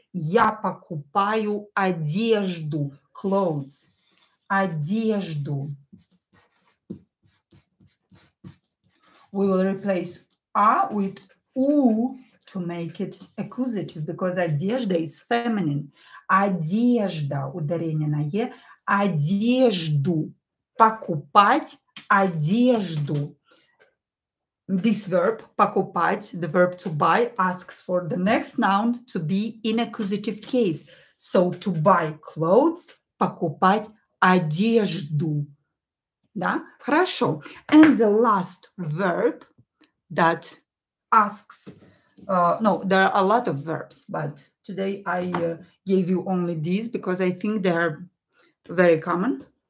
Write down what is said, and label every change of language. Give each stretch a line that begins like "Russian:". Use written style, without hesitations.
Russian: Я покупаю одежду.
English: Clothes.
Russian: Одежду.
English: We will replace a with u to make it accusative, because одежда is feminine.
Russian: Одежда, ударение на е, одежду, покупать одежду.
English: This verb, покупать, the verb to buy, asks for the next noun to be in accusative case. So, to buy clothes,
Russian: покупать одежду. Да? Хорошо.
English: And the last verb that asks, no, there are a lot of verbs, but today I gave you only these because I think they are very common.